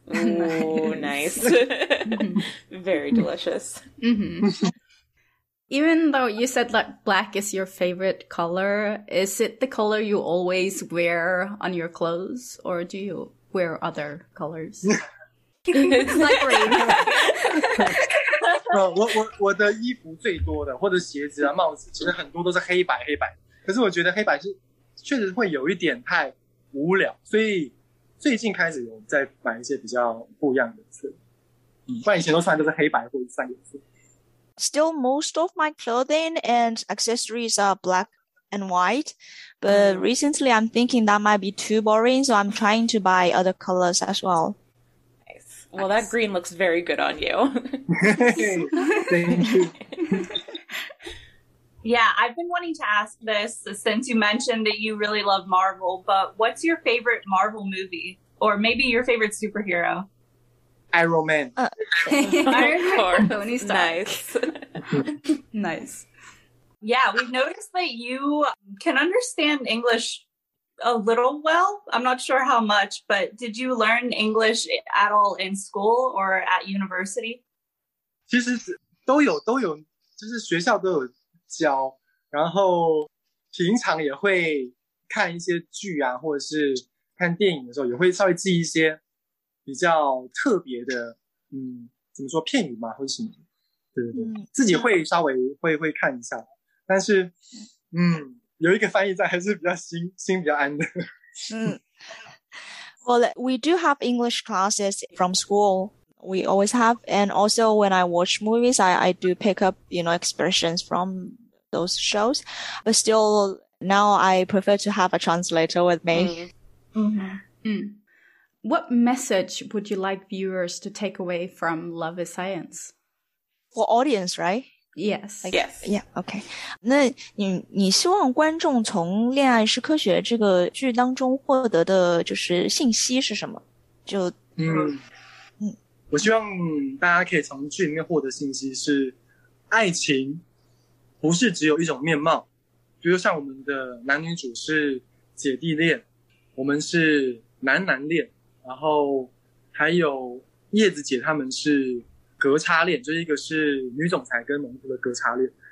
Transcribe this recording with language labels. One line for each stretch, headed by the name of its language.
English: Oh, nice. Very delicious. Even though you said that black is your favorite color, is it the color you always wear on your clothes or do you wear other colors? It's like
Chinese: 我的衣服最多的或者鞋子啊帽子其实很多都是黑白，可是我觉得黑白是确实会有一点太无聊，所以最近开始有在买一些比较不一样的色，不然以前都穿都是黑白或者三颜色。
English: Still most of my clothing and accessories are blackand white, but recently I'm thinking that might be too boring, so I'm trying to buy other colors as well. Nice. Well, that green looks very good on you. Thank you. Yeah, I've been wanting to ask this since you mentioned that you really love Marvel, but what's your favorite Marvel movie? Or maybe your favorite superhero? Iron Man. Iron Man. Nice. Nice. Yeah, we've noticed that you can understand English a little well. I'm not sure how much, but did you learn English at all in school or at university?
Chinese: 其实都有，就是学校都有教，然后平常也会看一些剧啊，或者是看电影的时候也会稍微记一些比较特别的，怎么说片语嘛，或者什么，对，自己会稍微会看一下。但是有一个翻译在还是比较心比较安的。
English: Well, we do have English classes from school. We always have. And also when I watch movies, I do pick up, you know, expressions from those shows. But still, now I prefer to have a translator with me. What message would you like viewers to take away from Love is Science? For audience, right? Yes. Like, yes. Yeah. Okay.
Chinese: 那你希望观众从《恋爱是科学》这个剧当中获得的就是信息是什么？就我希望大家可以从剧里面获得信息是，爱情不是只有一种面貌，比如像我们的男女主是姐弟恋，我们是男男恋，然后还有叶子姐他们是隔差恋，就是一个是女总裁跟农夫的隔差恋。